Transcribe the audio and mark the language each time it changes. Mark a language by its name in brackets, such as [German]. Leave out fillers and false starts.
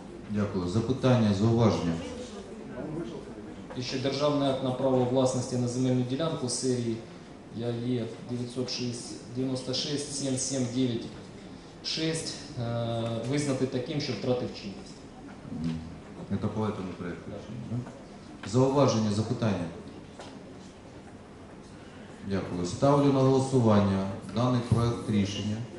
[Ukrainian] Дякую. Запитання, зауваження. І ще державне акт на право власності на земельну ділянку серії ЯЄ 96 7779 6 визнати таким, що втратив чинність. [Russian] Это по этому проекту решения, да? [Ukrainian] Зауваження, запитання? Дякую. Ставлю на голосування даний проект рішення.